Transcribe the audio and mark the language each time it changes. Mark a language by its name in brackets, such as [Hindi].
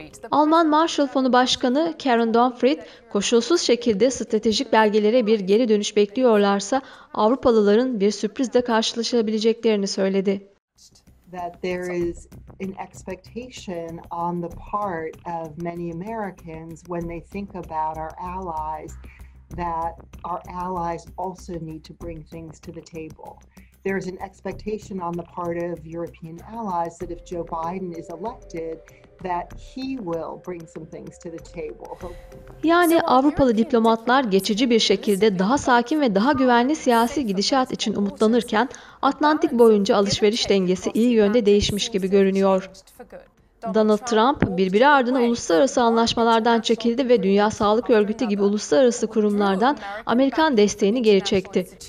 [Turkish] Alman Marshall Fonu Başkanı Karen Donfried, koşulsuz şekilde stratejik belgelere bir geri dönüş bekliyorlarsa Avrupalıların bir sürprizle karşılaşabileceklerini söyledi. [English] That there is an expectation on the part of many Americans when they think about our allies that our allies also need to bring things to the table. There is an expectation on the part of European allies that if Joe Biden is elected that he will bring some things to the table. [Turkish] Yani Avrupalı diplomatlar geçici bir şekilde daha sakin ve daha güvenli siyasi gidişat için umutlanırken Atlantik boyunca alışveriş dengesi iyi yönde değişmiş gibi görünüyor. Donald Trump, birbiri ardına uluslararası anlaşmalardan çekildi ve Dünya Sağlık Örgütü gibi uluslararası kurumlardan Amerikan desteğini geri çekti.